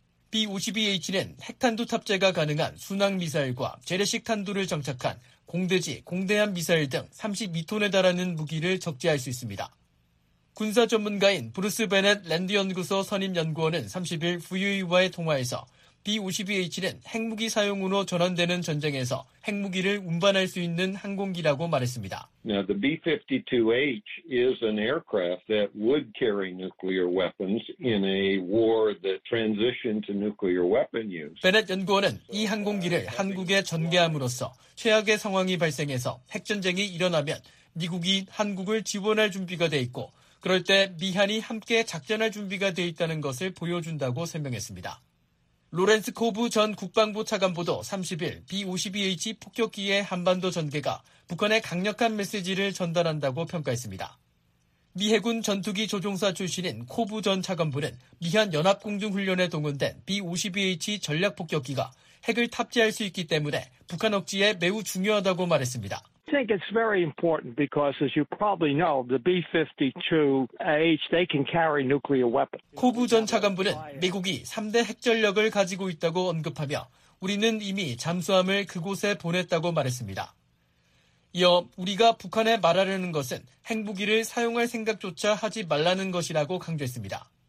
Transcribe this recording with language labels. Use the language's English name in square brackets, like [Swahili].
[Korean] B-52H는 핵탄두 탑재가 가능한 순항미사일과 재래식 탄두를 장착한 공대지, 공대함 미사일 등 32톤에 달하는 무기를 적재할 수 있습니다. 군사 전문가인 브루스 베넷 랜드연구소 선임연구원은 30일 VOA와의 통화에서 B-52H는 핵무기 사용으로 전환되는 전쟁에서 핵무기를 운반할 수 있는 항공기라고 말했습니다. [English] Now the B-52H is an aircraft that would carry nuclear weapons in a war that transitioned to nuclear weapon use. [Korean] 베넷 연구원은 이 항공기를 한국에 전개함으로써 최악의 상황이 발생해서 핵전쟁이 일어나면 미국이 한국을 지원할 준비가 돼 있고 그럴 때 미한이 함께 작전할 준비가 돼 있다는 것을 보여준다고 설명했습니다. 로렌스 코브 전 국방부 차관보도 30일 B-52H 폭격기의 한반도 전개가 북한에 강력한 메시지를 전달한다고 평가했습니다. 미 해군 전투기 조종사 출신인 코브 전 차관부는 미한 연합공중훈련에 동원된 B-52H 전략폭격기가 핵을 탑재할 수 있기 때문에 북한 억지에 매우 중요하다고 말했습니다. [English] I think it's very important because as you probably know, the B-52H, they can carry nuclear weapons. [Korean] 코브 전 차관부는 미국이 3대 핵전력을 가지고 있다고 언급하며 우리는 이미 잠수함을 그곳에 보냈다고 말했습니다. 이어 우리가 북한에 말하려는 것은 핵무기를 사용할 생각조차 하지 말라는 것이라고 강조했습니다.